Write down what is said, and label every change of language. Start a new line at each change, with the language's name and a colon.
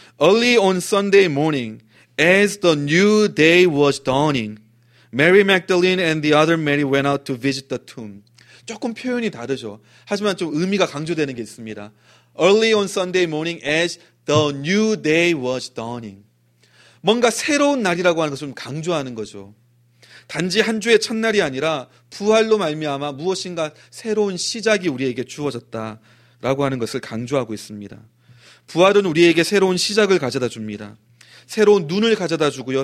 English: Early on Sunday morning, as the new day was dawning, Mary Magdalene and the other Mary went out to visit the tomb.
Korean: 조금 표현이 다르죠. 하지만 좀 의미가 강조되는 게 있습니다.
English: Early on Sunday morning as the new day was dawning.
Korean: 뭔가 새로운 날이라고 하는 것을 좀 강조하는 거죠. 단지 한 주의 첫날이 아니라 부활로 말미암아 무엇인가 새로운 시작이 우리에게 주어졌다라고 하는 것을 강조하고 있습니다. 부활은 우리에게 새로운 시작을 가져다 줍니다. 새로운 눈을 가져다 주고요.